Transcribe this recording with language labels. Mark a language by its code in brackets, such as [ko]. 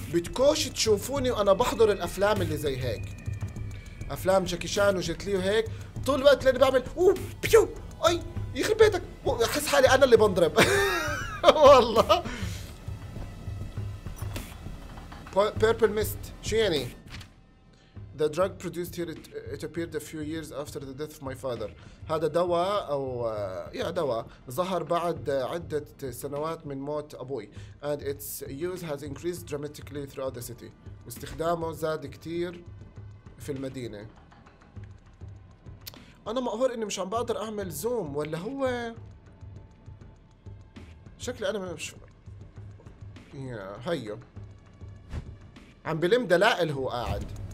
[ar] بتكوش تشوفوني وانا بحضر الافلام اللي زي هيك، افلام جاكي شان وجيتلي وهيك طول الوقت اللي بعمل اوه بيو اي يخرب بيتك. احس حالي انا اللي بنضرب. والله [en] purple mist [ar] شو يعني؟ [en] The drug produced here it appeared a few years after the death of my father. [ar] هذا دواء او يا دواء ظهر بعد عدة سنوات من موت ابوي. [en] And its use has increased dramatically throughout the city. [ar] واستخدامه زاد كتير في المدينة. انا مقهور اني مش عم بقدر اعمل زوم ولا هو شكلي انا مش هيو عم بلم دلائل هو قاعد.